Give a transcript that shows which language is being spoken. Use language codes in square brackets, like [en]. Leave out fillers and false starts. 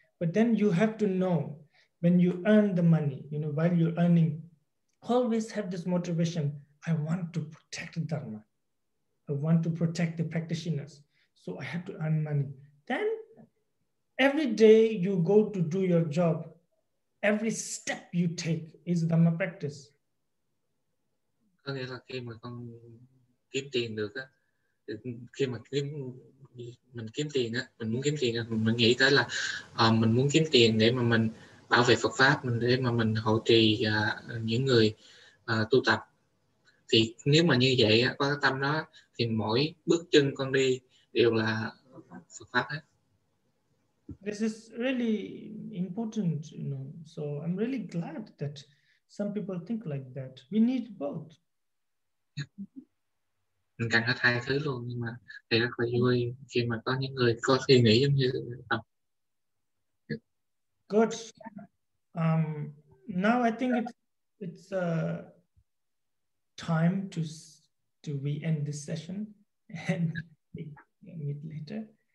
[en] But then you have to know when you earn the money, you know, while you're earning, always have this motivation. I want to protect the Dharma. I want to protect the practitioners. So I have to earn money. Then every day you go to do your job, every step you take is Dharma practice. [vi] Có nghĩa là khi mà con kiếm tiền được á, khi mà kiếm mình kiếm tiền á, mình muốn kiếm tiền á, mình nghĩ tới là mình muốn kiếm tiền để mà mình bảo vệ Phật pháp, mình để mà mình hộ trì những người tu tập. Thì nếu mà như vậy á, có cái tâm đó thì mỗi bước chân con đi đều là Phật pháp hết. [en] This is really important, you know. So I'm really glad that some people think like that. We need both. [vi] Mình cần hết hai thứ luôn, nhưng mà thầy rất là vui khi mà có những người có suy nghĩ giống như tập. [en] Good. Now I think it's time to we end this session and meet later.